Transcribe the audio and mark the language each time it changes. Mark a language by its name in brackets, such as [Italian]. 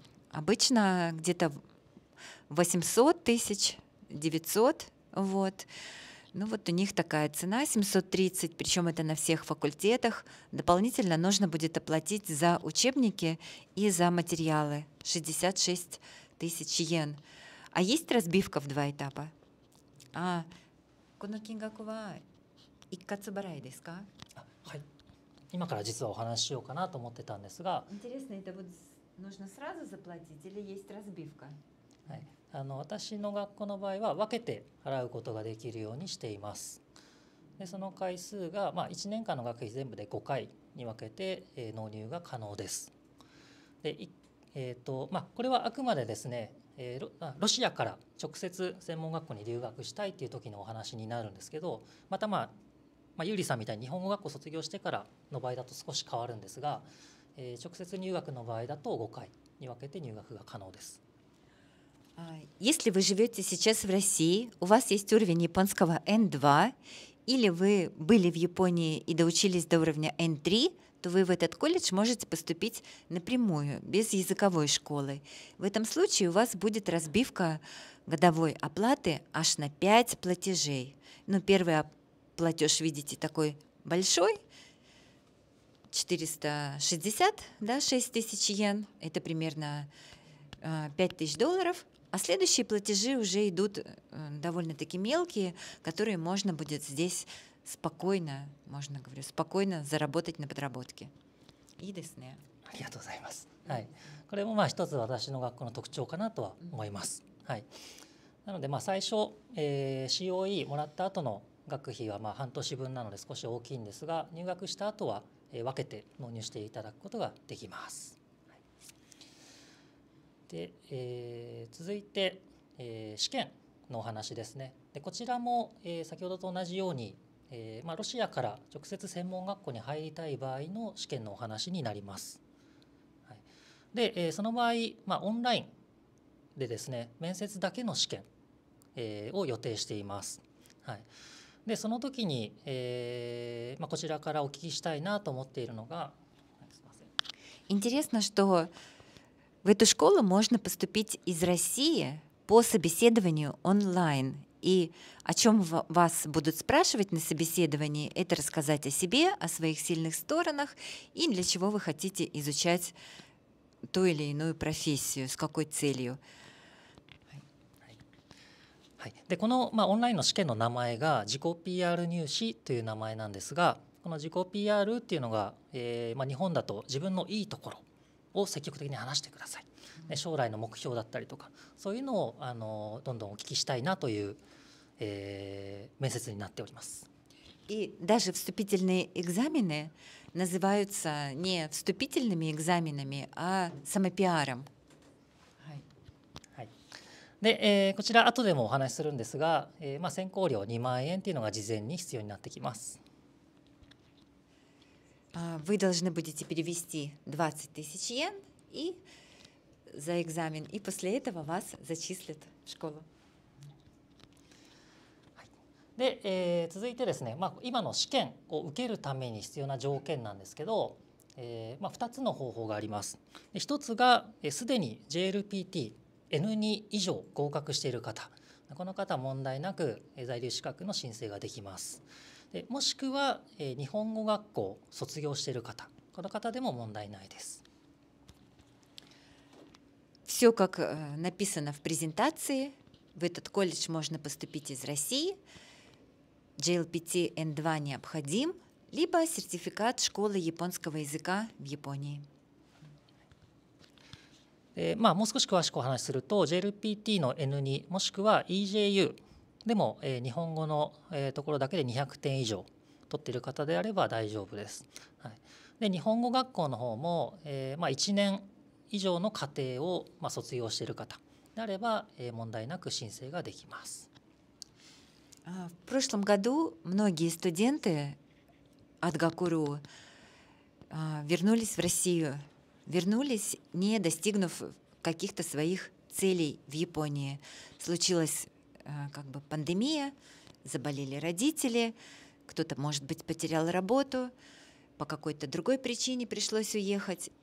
[Russian] Обычно где-то 800 тысяч, 900, вот. Ну вот у них такая цена, 730, причем это на всех факультетах. Дополнительно нужно будет оплатить за учебники и за материалы 66 тысяч йен. А есть разбивка в два этапа? [Japanese] А, この金額は一括払いですか？はい。今から実はお話しようかなと思ってたんですが。 [Russian] Интересно, это вот нужно сразу заплатить или есть разбивка? [Japanese] はい。あの私の学校の場合は分けて払うことができるようにしています。でその回数がまあ1年間の学費全部で5回に分けて、納入が可能です。で、まあこれはあくまでですね。ロシアから直接専門学校に留学したいっていう時のお話になるんですけど、またまあユーリさんみたいに日本語学校卒業してからの場合だと少し変わるんですが、直接入学の場合だと5回に分けて入学が可能です。 [Russian] Если вы живете сейчас в России, у вас есть уровень японского N2, или вы были в Японии и доучились до уровня N3, то вы в этот колледж можете поступить напрямую, без языковой школы. В этом случае у вас будет разбивка годовой оплаты аж на 5 платежей. Ну, первый платеж, видите, такой большой, 460, да, 6 тысяч йен, это примерно 5 тысяч долларов. А следующие платежи уже идут довольно-таки мелкие, которые можно будет здесь спокойно, можно говорю, спокойно заработать на подработке. [Japanese] いいですね。ありがとうございます。はい。これもまあ一つ私の学校の特徴かなとは思います。はい。なのでまあ最初、COE もらった後の学費はまあ半年分なので少し大きいんですが、入学した後は分けて納入していただくことができます。で、続いて、試験のお話ですね。でこちらも、先ほどと同じようにまあ、ロシアから直接専門学校に入りたい場合の試験のお話になります。はい、で、その場合、まあ、オンラインでですね、面接だけの試験、を予定しています。はい、で、その時に、まあ、こちらからお聞きしたいなと思っているのが、 [Russian] Интересно, что в эту школу можно поступить из России по собеседованию онлайн. И о чем вас будут спрашивать на собеседовании, это рассказать о себе, о своих сильных сторонах и для чего вы хотите изучать ту или иную профессию, с какой целью. [Japanese] で、この、まあ、オンラインの試験の名前が自己 PR 入試という名前なんですが、この自己 PR っていうのが、まあ、日本だと自分のいいところを積極的に話してください。将来の目標だったりとか、そういうのをあのどんどんお聞きしたいなという、面接になっております。 [Russian] И даже вступительные экзамены называются не вступительными экзаменами, а самопиаром. [Japanese] はい。はい。で、こちら後でもお話しするんですが、まあ、選考料2万円っていうのが事前に必要になってきます。 [Russian] Вы должны будете перевести 20 тысяч йен и за экзамен, и после этого вас зачислят в школу. [Japanese] で、続いてですね、まあ、今の試験を受けるために必要な条件なんですけど、まあ、2つの方法があります。で、1つが、すでに JLPT N2 以上合格している方、この方問題なく在留資格の申請ができます。でもしくは、日本語学校卒業している方、この方でも問題ないです。 [Russian] Все как написано в презентации. в этот колледж можно поступить из России, GLPT N2 необходим, либо сертификат школы японского языка в Японии. [Japanese] まあ、もう少し詳しくお話しすると JLPT の N2 もしくは EJU でも、日本語の、ところだけで200点以上取っている方であれば大丈夫です、はい、で日本語学校の方も、1年以上の課程を、卒業している方であれば、問題なく申請ができます。 [Russian] В прошлом году многие студенты от Гакуру вернулись в Россию, вернулись, не достигнув каких-то своих целей в Японии. Случилась пандемия, заболели родители, кто-то, может быть, потерял работу, по какой-то другой причине пришлось уехать.